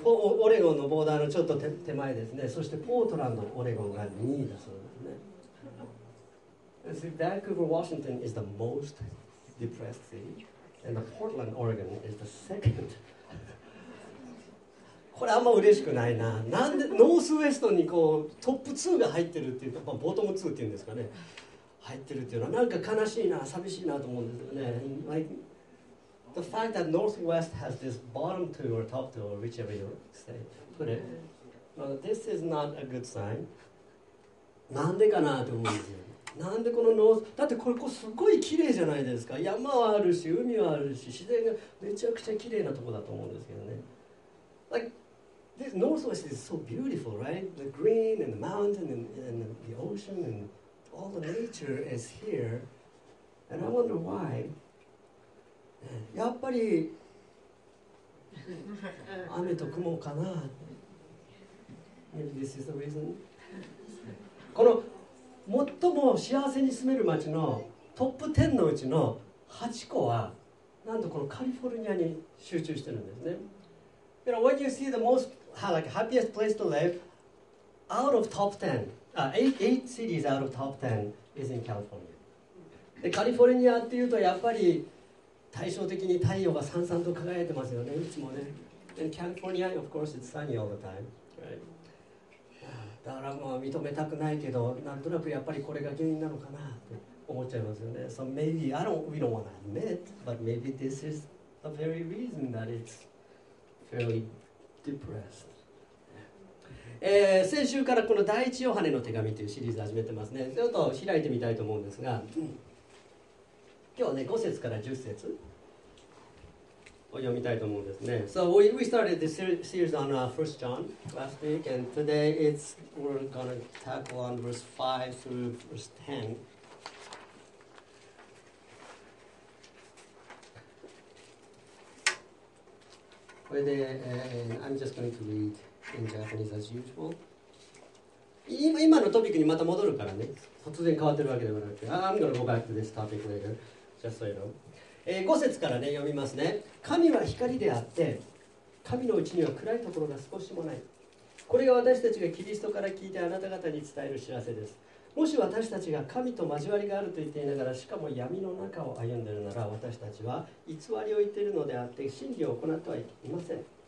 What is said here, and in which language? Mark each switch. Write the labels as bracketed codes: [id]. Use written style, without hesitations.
[ja] オレゴンのボーダーのちょっと手前ですね。そしてポートランド、オレゴンが2位だそうですね。バンクーバー、ワシントン [en] is the most depressed city. And the Portland, Oregon is the second. [ja] これあんま嬉しくないな。なんでノースウェストにこうトップ2が入ってるっていうか、まあ、ボトム2っていうんですかね。入ってるっていうのはなんか悲しいな、寂しいなと思うんですよね。 [en] Like,The fact that Northwest has this bottom two or top two, or whichever you say, put it, well, this is not a good sign. [ja] なんでかなと思うんですよ。なんでこのノース、だってここすごい綺麗じゃないですか。山はあるし、海はあるし、自然がめちゃくちゃ綺麗なとこだと思うんですけどね。 [en] Like, this Northwest is so beautiful, right? The green and the mountain and the ocean and all the nature is here. And I wonder why. [ja] やっぱり雨と雲かな。 [en] Maybe this is the reason. [ja] この最も幸せに住める街のトップ10のうちの8個はなんとこのカリフォルニアに集中してるんですね。 [en] You know, when you see the most like happiest place to live out of top 10, eight cities out of top 10 is in California. [ja] でカリフォルニアっていうとやっぱり対照的に太陽がさんさんと輝いてますよね、いつもね。 [en] And California, of course, it's sunny all the time. Right. [ja] だからもう認めたくないけど、なんとなくやっぱりこれが原因なのかなって思っちゃいますよね。 [en] So maybe, we don't want to admit, but maybe this is the very reason that it's fairly depressed. [ja] 先週からこの第一ヨハネの手紙というシリーズ始めてますね。ちょっと開いてみたいと思うんですが、今日はね、5節から10節を読みたいと思うんですね。 [en] So we started this series on First John last week, and today we're going to tackle on verse 5 through verse 10. [ja] これで、 [en] I'm just going to read in Japanese as usual. [ja] 今のトピックにまた戻るからね。突然変わってるわけではなくて。 [en] I'm going to go back to this topic later. [ja] 5節から、ね、読みますね。神は光であって神のうちには暗いところが少しもない。これが私たちがキリストから聞いてあなた方に伝える知らせです。もし私たちが神と交わりがあると言っていながらしかも闇の中を歩んでいるなら、私たちは偽りを言っているのであって真理を行ってはいません。